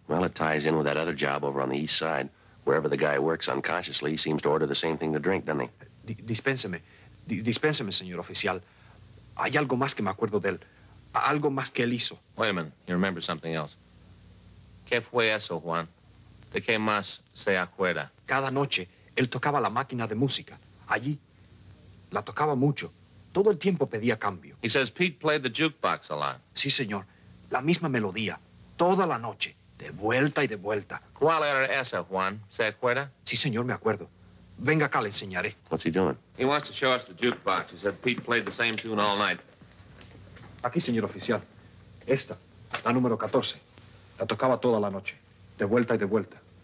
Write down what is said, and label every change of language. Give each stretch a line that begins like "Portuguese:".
English: Well, it ties in with that other job over on the east side. Wherever the guy works unconsciously, he seems to order the same thing to drink, doesn't he?
Spanish: Dispénseme. Dispénseme, señor oficial. Hay algo más que me acuerdo de él. Algo más que él hizo.
English: Wait a minute. You remember something else.
Spanish: ¿Qué fue eso, Juan? ¿De qué más se acuerda? Cada noche, él tocaba la máquina de música. Allí, la tocaba mucho. Todo el tiempo pedía cambio.
English: He says Pete played the jukebox a lot.
Spanish: Sí, señor. La misma melodía. Toda la noche. De vuelta y de vuelta. ¿Cuál era esa, Juan? ¿Se acuerda? Sí, señor, me acuerdo. Venga acá, le enseñaré.
English: What's he doing? He wants to show us the jukebox. He said Pete played the same tune all night.
Spanish: Aquí, señor oficial. Esta, la número 14. La tocaba toda la noche, de vuelta y de vuelta.